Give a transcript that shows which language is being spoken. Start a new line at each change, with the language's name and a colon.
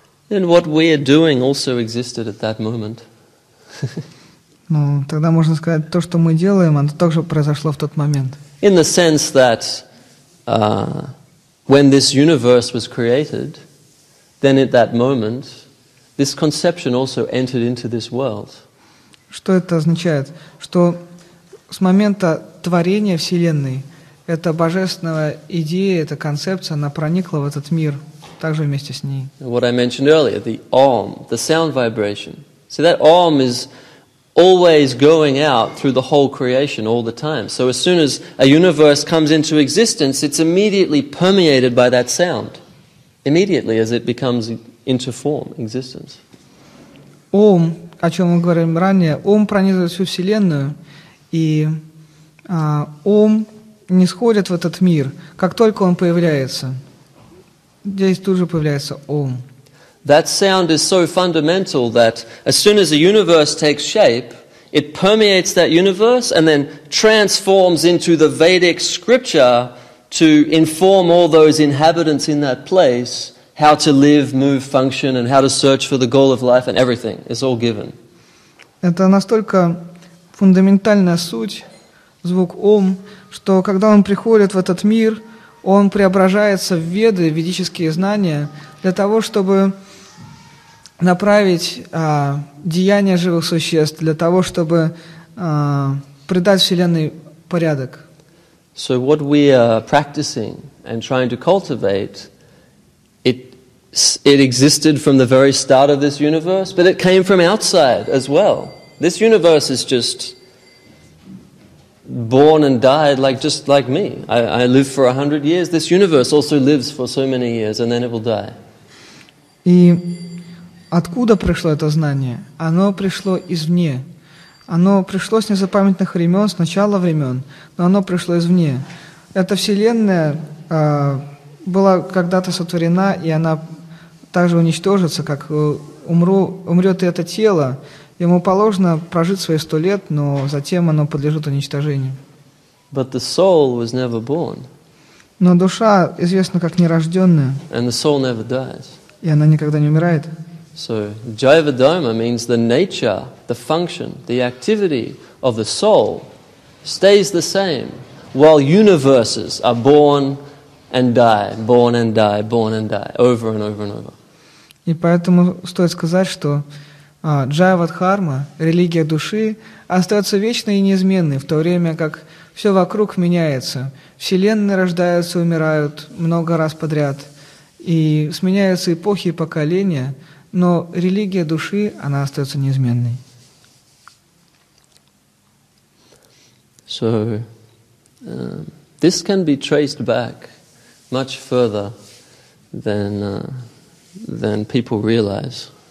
English: And what we are doing also existed at that moment.
Russian: Ну, тогда можно сказать, то, что мы делаем, оно также произошло в тот момент.
English: In the sense that when this universe was created, then at that moment, this conception also entered into this world.
Russian: Что это означает? Что с момента творения Вселенной эта божественная идея, эта концепция, она проникла в этот мир также вместе с ней.
English: What I mentioned earlier, the Om, the sound vibration. So that Om is always going out through the whole creation all the time. So as soon as a universe comes into existence, it's immediately permeated by that sound. Immediately as it becomes into form, existence.
Russian: Ом, о чем мы говорим ранее, ом пронизывает всю Вселенную, и ом нисходит в этот мир. Как только он появляется, здесь тут же появляется ом.
English: That sound is so fundamental that as soon as a universe takes shape, it permeates that universe and then transforms into the Vedic scripture to inform all those inhabitants in that place how to live, move, function, and how to search for the goal of life and everything. It's all given.
Russian: Это настолько фундаментальная суть, звук Ом, что когда он приходит в этот мир, он преображается в Веды, ведические знания, для того, чтобы направить деяния живых существ для того, чтобы придать Вселенной порядок.
English: So what we are practicing and trying to cultivate, it existed from the very start of this universe, but it came from outside as well. This universe is just born and died like just like me. I live for 100 years. This universe also lives for so many years, and then it will die.
Russian: И откуда пришло это знание? Оно пришло извне. Оно пришло с незапамятных времен, с начала времен, но оно пришло извне. Эта Вселенная была когда-то сотворена, и она также уничтожится, как умрет и это тело. Ему положено прожить свои 100 лет, но затем оно подлежит уничтожению.
English: But the soul was never born.
Russian: Но душа известна как нерожденная.
English: And the soul never dies.
Russian: И она никогда не умирает.
English: So, Jiva Dharma means the nature, the function, the activity of the soul stays the same while universes are born and die, over and over and over.
Russian: И поэтому стоит сказать, что Jiva Dharma, религия души, остается вечной и неизменной, в то время как все вокруг меняется. Вселенные рождаются, умирают много раз подряд, и сменяются эпохи и поколения. Но религия души, она остается неизменной.
English: So, this can be traced back much further than people realize.